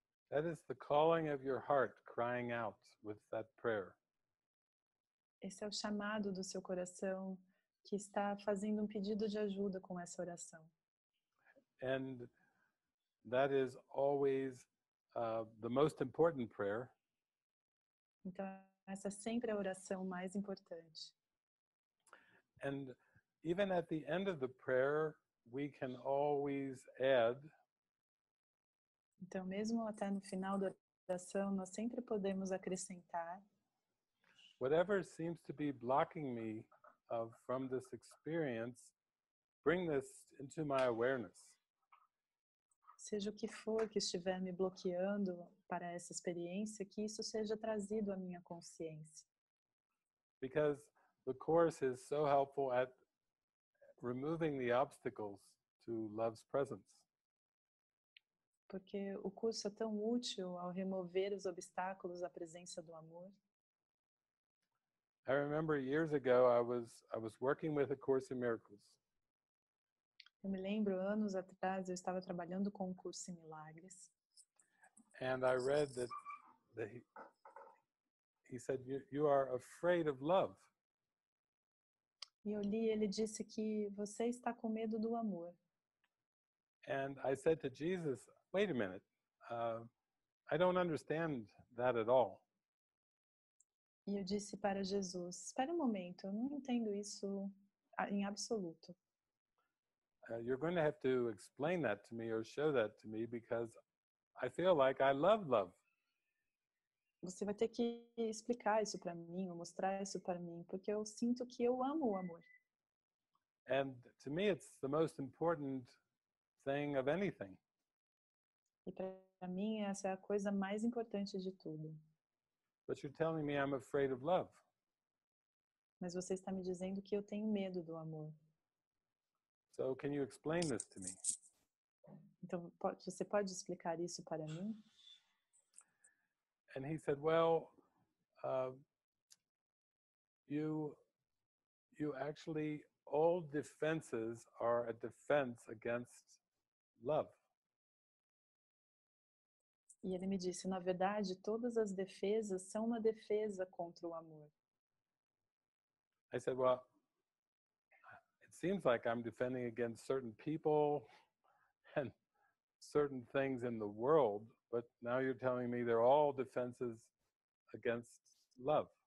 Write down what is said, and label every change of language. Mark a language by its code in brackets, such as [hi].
[en] That is the calling of your heart crying out with that prayer. [pt] Esse é o chamado do seu coração que está fazendo um pedido de ajuda com essa oração. [en] And that is always the most important prayer. [pt] Então, essa é sempre a oração mais importante. [en] And even at the end of the prayer, we can always add. [pt] Então, mesmo até no final da oração, nós sempre podemos acrescentar. [en] Whatever seems to be blocking me from this experience, bring this into my awareness. [pt] Seja o que for que estiver me bloqueando para essa experiência, que isso seja trazido à minha consciência. [en] Because the course is so helpful at removing the obstacles to love's presence. [pt] Porque o curso é tão útil ao remover os obstáculos à presença do amor. [en] I remember years ago I was working with A Course in Miracles. [pt] Eu me lembro, anos atrás, eu estava trabalhando com o Curso em Milagres. [en] And I read that he said, you are afraid of love. [pt] E eu li, ele disse que você está com medo do amor. [en] And I said to Jesus, wait a minute, I don't understand that at all. [pt] E eu disse para Jesus, espera um momento, eu não entendo isso em absoluto. [en] You're going to have to explain that to me or show that to me because I feel like I love love. [pt] Você vai ter que explicar isso para mim ou mostrar isso para mim porque eu sinto que eu amo o amor. [en] And to me it's the most important thing of anything. [pt] E para mim essa é a coisa mais importante de tudo. [en] But you're telling me I'm afraid of love. [pt] Mas você está me dizendo que eu tenho medo do amor. [en] So can you explain this to me? [pt] Então, você pode explicar isso para mim? [en] And he said, well, you actually, all defenses are a defense against love. [pt] E ele me disse, na verdade, todas as defesas são uma defesa contra o amor. [en] I said, well, it seems like I'm defending against certain people and certain things in the world, but now you're telling me they're all defenses against love.